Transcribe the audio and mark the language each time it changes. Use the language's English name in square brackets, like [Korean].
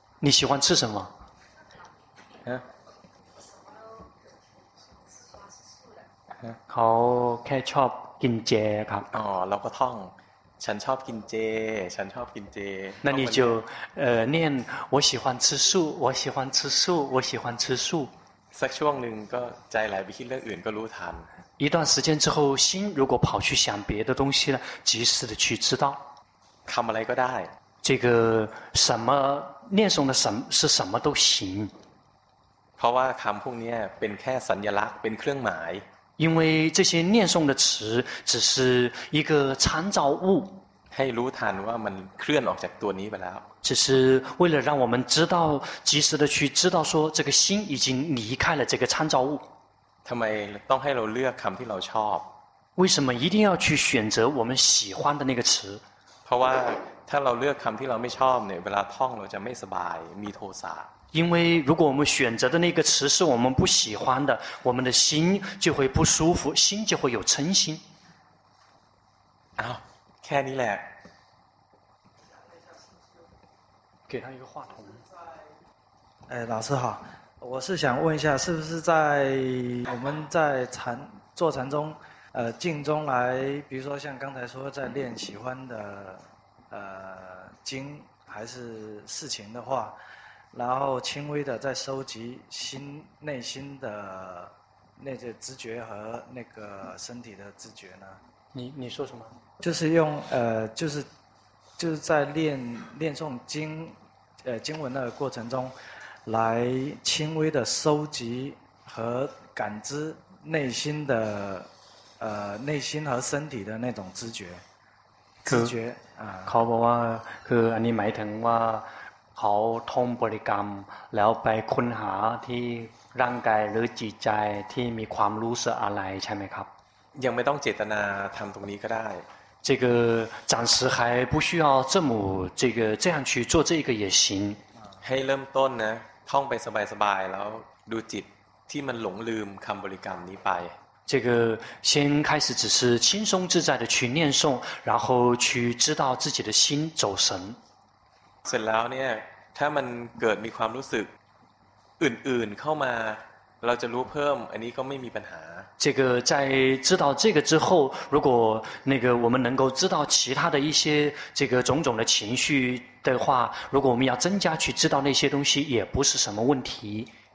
[Chinese] 你喜欢吃什么 [Thai] เขาแค่ชอบกินเจครับ อ๋อเราก็ท่องฉันชอบกินเจฉันชอบกินเจ [Chinese] 那你就念我喜欢吃素我喜欢吃素我喜欢吃素 [Thai] สักช่วงหนึ่งก็ใจไหลไปคิดเรื่องอื่นก็รู้ทัน [Chinese] 一段时间之后心如果跑去想别的东西了及时的去知道 [Thai] ทำอะไรก็ได้ [Chinese] 这个什么念诵的什么是什么都行 [Thai] เพราะว่าคำพวกนี้เป็นแค่สัญลักษณ์เป็นเครื่องหมาย [Chinese] 因为这些念诵的词只是一个参照物 [Thai] ให้รู้ทันว่ามันเคลื่อนออกจากตัวนี้ไปแล้ว [Chinese] 只是为了让我们知道及时的去知道说这个心已经离开了这个参照物 [Thai] ทำไมต้องให้เราเลือกคำที่เราชอบ [Chinese] 为什么一定要去选择我们喜欢的那个词 [Thai] เพราะว่าถ้าเราเลือกคำที่เราไม่ชอบเนี่ยเวลาท่องเราจะไม่สบายมีโทสะ [Chinese] 因为如果我们选择的那个词是我们不喜欢的我们的心就会不舒服心就会有嗔心 [Thai] 啊แค่นี้แหละ [Chinese] 给他一个话筒哎老师好我是想问一下是不是在我们在禅坐禅中静中来比如说像刚才说在练喜欢的经还是事情的话然后轻微的在收集心内心的那些知觉和那个身体的知觉呢你说什么就是用就是在练诵经文的过程中来轻微的收集和感知内心的内心和身体的那种知觉 [Thai] 啊เขาบอกว่าคืออันนี้หมายถึงว่าเขาท่องบริกรรมแล้วไปค้นหาที่ร่างกายหรือจิตใจที่มีความรู้สึกอะไรใช่ไหมครับ ยังไม่ต้องเจตนาทำตรงนี้ก็ได้ [Chinese] 这个暂时还不需要这样去做这个也行 [Thai] ให้เริ่มต้นนะท่องไปสบายๆแล้วดูจิตที่มันหลงลืมคำบริกรรมนี้ไป [Chinese] 这个先开始只是轻松自在的去念诵然后去知道自己的心走神 [Thai] เสร็จแล้วเนี่ยถ้ามันเกิดมีความรู้สึกอื่นๆเข้ามาเราจะรู้เพิ่มอันนี้ก็ไม่มีปัญหา [Chinese] 这个在知道这个之后如果那个我们能够知道其他的一些这个种种的情绪的话如果我们要增加去知道那些东西也不是什么问题